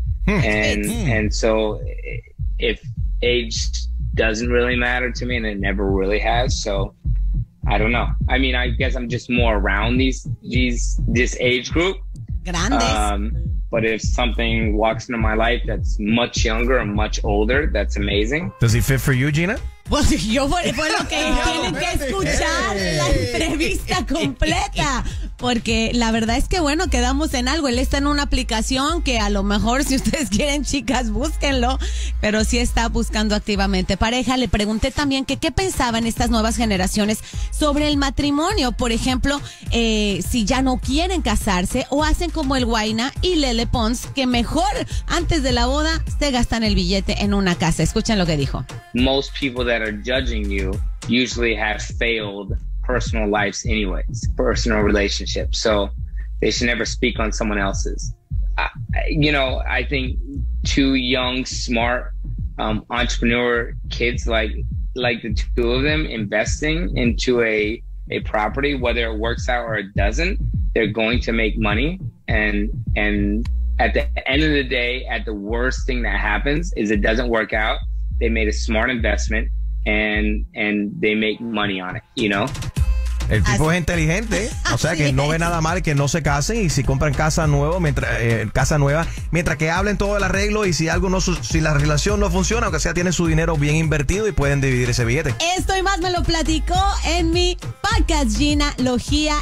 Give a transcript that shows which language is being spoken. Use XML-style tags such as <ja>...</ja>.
<en>And so if age doesn't really matter to me, and it never really has, so I don't know. I mean, I guess I'm just more around this age group.</en> <es>Grandes.</es> <en>But if something walks into my life that's much younger and much older, that's amazing. Does he fit for you, Gina?</en> <es>Pues yo fue lo que tienen que escuchar la entrevista completa, porque la verdad es que, bueno, quedamos en algo. Él está en una aplicación que a lo mejor, si ustedes quieren, chicas, búsquenlo, pero sí está buscando activamente pareja. Le pregunté también que qué pensaban estas nuevas generaciones sobre el matrimonio, por ejemplo, si ya no quieren casarse o hacen como el Guayna y Lele Pons, que mejor antes de la boda se gastan el billete en una casa. Escuchen lo que dijo.</es> <en>Most people that are judging you usually have failed personal lives anyways, personal relationships, so they should never speak on someone else's. I think two young, smart entrepreneur kids like the two of them investing into a property, whether it works out or it doesn't, they're going to make money. And at the end of the day, at the worst thing that happens is it doesn't work out, they made a smart investment and they make money on it, you know?</en> <es>El tipo así es inteligente, o sea, que no ve nada mal que no se casen, y si compran casa nueva, mientras que hablen todo el arreglo, y si la relación no funciona, aunque sea, tienen su dinero bien invertido y pueden dividir ese billete. Esto y más me lo platicó en mi podcast Gina Logía.</es>